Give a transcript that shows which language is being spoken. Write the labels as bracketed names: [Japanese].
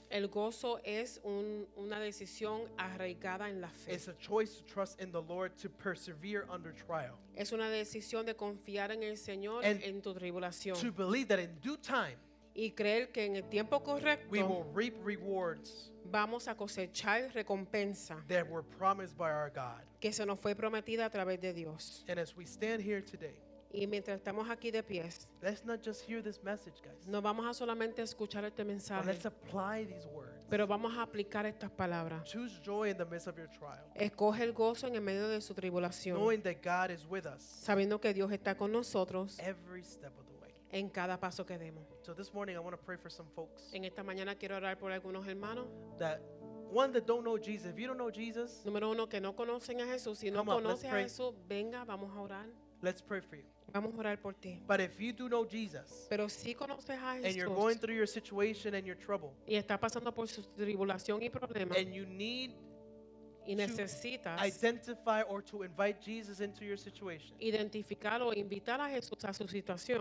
[Spanish] El gozo es una decisión arraigada en la fe. [English] It's a choice to trust in the Lord to persevere under trial. [Spanish] Es una decisión de confiar en el Señor [English] and [Spanish] en tu tribulación. [English] To believe that in due time, [Spanish] y creer que en el tiempo correcto, [English] we will reap rewards. [Spanish] Vamos a cosechar recompensa [English] that were promised by our God. [Spanish] Que se nos fue prometida a través de Dios. [English] And as we stand here today, [Spanish] y mientras estamos aquí de pies, [English] let's not just hear this message, guys. [Spanish] No vamos a solamente escuchar este mensaje. [English] But let's apply these words. [Spanish] Pero vamos a aplicar estas palabras. [English] Choose joy in the midst of your trial. [Spanish] Escoge el gozo en el medio de su tribulación. [English] Knowing that God is with us. [Spanish] Sabiendo que Dios está con nosotros. [English] Every step of the way. [Spanish] En cada paso que demos. [English] So this morning I want to pray for some folks. [Spanish] En esta mañana quiero orar por algunos hermanos. [English] That one that don't know Jesus. If you don't know Jesus, [Spanish] número uno que no conocen a Jesús, si no conoce a Jesús, venga, vamos a orar. [English] Let's pray for you. [Spanish] Vamos a orar por ti. [English] But if you do know Jesus, [Spanish] pero si conoces a Jesús, [English] and you're going through your situation and your trouble, [Spanish] y está pasando por su tribulación y problema, [English] and you need [Spanish] y necesitas [English] to identify or to invite Jesus into your situation, [Spanish] identificar o invitar a Jesús a su situación,